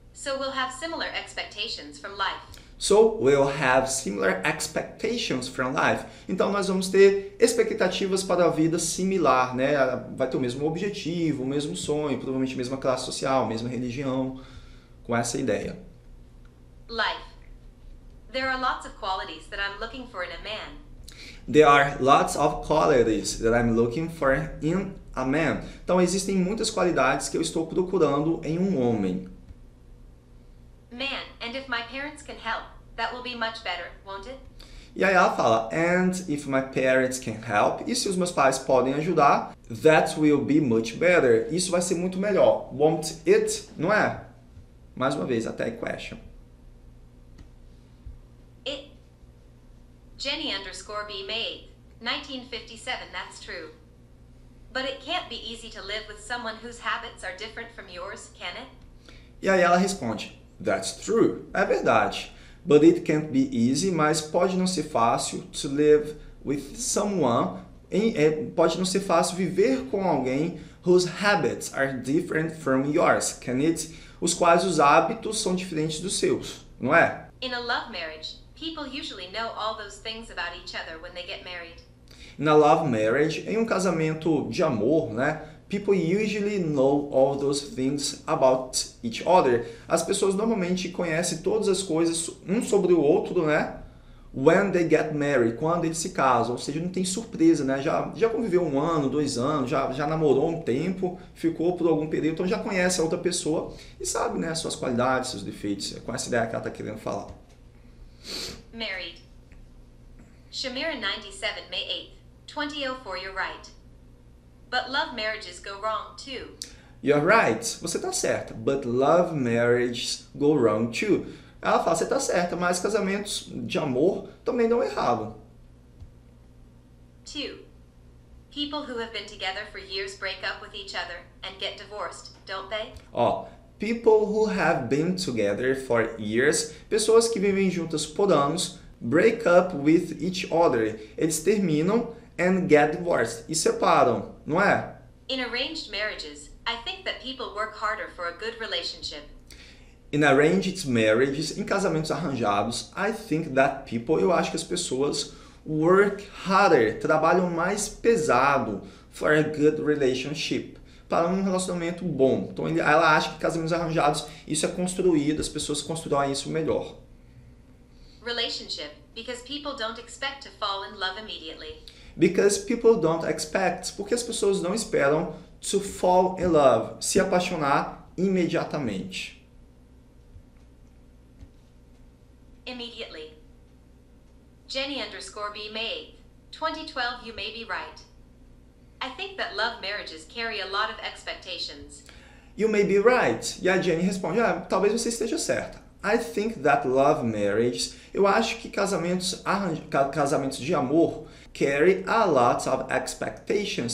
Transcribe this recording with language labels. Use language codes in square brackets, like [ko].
[en] So we'll have similar expectations from life. So we'll have similar expectations from life. [pt] Então nós vamos ter expectativas para a vida similar, né? Vai ter o mesmo objetivo, o mesmo sonho, provavelmente a mesma classe social, a mesma religião, com essa ideia. [en] Life. There are lots of qualities that I'm looking for in a man. There are lots of qualities that I'm looking for in a man. [pt] Então existem muitas qualidades que eu estou procurando em um homem. [en] Man, and if my parents can help, that will be much better, won't it? [pt] E aí ela fala, [en] and if my parents can help, [pt] e se os meus pais podem ajudar, [en] that will be much better. [pt] Isso vai ser muito melhor. [en] Won't it? [pt] Não é? Mais uma vez, a tag question. [en] It. Jenny underscore B May 1957, that's true. But it can't be easy to live with someone whose habits are different from yours, can it? [pt] E aí ela responde, [en] that's true. [pt] É verdade. [en] But it can't be easy, [pt] mas pode não ser fácil [en] to live with someone. [pt] Pode não ser fácil viver com alguém [en] whose habits are different from yours, can it? [pt] Os quais os hábitos são diferentes dos seus, não é? [en] In a love marriage, people usually know all those things about each other when they get married. In a love marriage, [pt] em um casamento de amor, né? [en] People usually know all those things about each other. [pt] As pessoas normalmente conhecem todas as coisas um sobre o outro, né? [en] When they get married, [pt] quando eles se casam, ou seja, não tem surpresa, né? Já conviveu um ano, dois anos, já namorou um tempo, ficou por algum período, então já conhece a outra pessoa e sabe, né, suas qualidades, seus defeitos, com essa ideia que ela está querendo falar. [en] Married. Shamira 97, May 8th, 2004, you're right. But love marriages go wrong too. You're right, [pt] você tá certa. [en] But love marriages go wrong too. [pt] Ela fala, você tá certa, mas casamentos de amor também dão errado. [en] Two. People who have been together for years break up with each other and get divorced, don't they? Ó, people who have been together for years, [pt] pessoas que vivem juntas por anos, [en] break up with each other. [pt] Eles terminam [en] and get divorced, [pt] e separam, não é? [en] In arranged marriages, I think that people work harder for a good relationship. In arranged marriages, [pt] em casamentos arranjados, [en] I think that people, [pt] eu acho que as pessoas [en] work harder, [pt] trabalham mais pesado [en] for a good relationship, [pt] para um relacionamento bom. Então ela acha que casamentos arranjados, isso é construído, as pessoas constroem isso melhor. [en] Relationship, because people don't expect to fall in love immediately. Because people don't expect, [pt] porque as pessoas não esperam [en] to fall in love, [pt] se apaixonar imediatamente. [en] Immediately. Jenny underscore B May 8th, 2012, you may be right. I think that love marriages carry a lot of expectations. You may be right. [pt] E a Jenny responde, ah, talvez você esteja certa. [en] I think that love marriages, [pt] eu acho que casamentos de amor [en] carry a lot of expectations.